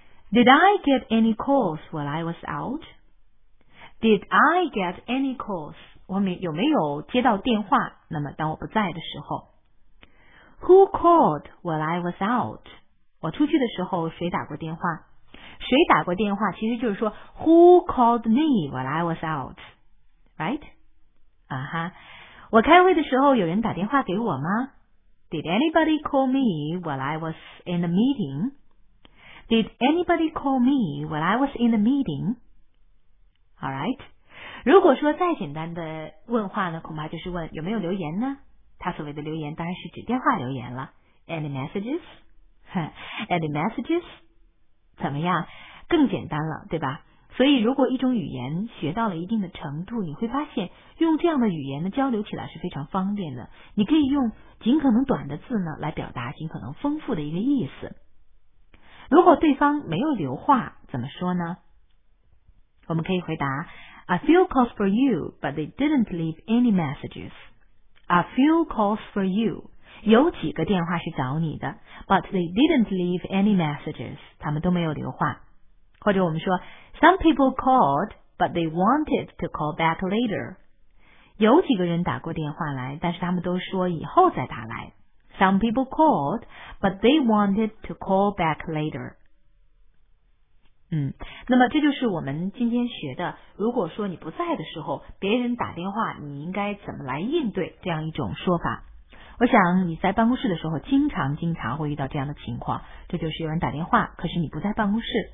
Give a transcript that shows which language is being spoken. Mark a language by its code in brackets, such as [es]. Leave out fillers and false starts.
[en] Did I get any calls while I was out? Did I get any calls? [zh] 我有没有接到电话？那么当我不在的时候 ， Who called while I was out? 我出去的时候谁打过电话？谁打过电话？ [en] 其实就是说 Who called me while I was out? Right? [zh] 啊哈，我开会的时候有人打电话给我吗 ？ Did anybody call me while I was in the meeting? [en] Did anybody call me while I was in the meeting? All right. [zh] 如果说再简单的问话呢，恐怕就是问有没有留言呢？他所谓的留言当然是指电话留言了。 [en] Any messages? Any messages? 怎么样？ [zh] 更简单了，对吧？所以如果一种语言学到了一定的程度，你会发现用这样的语言呢交流起来是非常方便的。你可以用尽可能短的字呢来表达尽可能丰富的一个意思。如果对方没有留话，怎么说呢？ [en] 我们可以回答 A few calls for you, but they didn't leave any messages. A few calls for you. 有几个电话是找你的，but they didn't leave any messages. [zh] 他们都没有留话。 [en] 或者我们说，some people called, but they wanted to call back later. [zh] 有几个人打过电话来，但是他们都说以后再打来。 [en] Some people called, but they wanted to call back later. [zh] 那么这就是我们今天学的，如果说你不在的时候，别人打电话，你应该怎么来应对这样一种说法。我想你在办公室的时候经常会遇到这样的情况，这就是有人打电话，可是你不在办公室。